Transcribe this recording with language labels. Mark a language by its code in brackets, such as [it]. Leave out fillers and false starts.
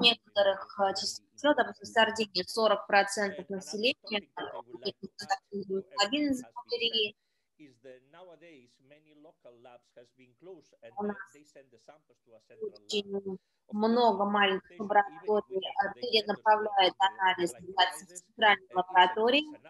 [ru] некоторых частях, допустим, в Сардинии 40% населения гемоглобин из-за малярии. [en] Nowadays many local labs has been closed and they send the samples to a central lab. [ru] Перенаправляет анализ в центральной лаборатории.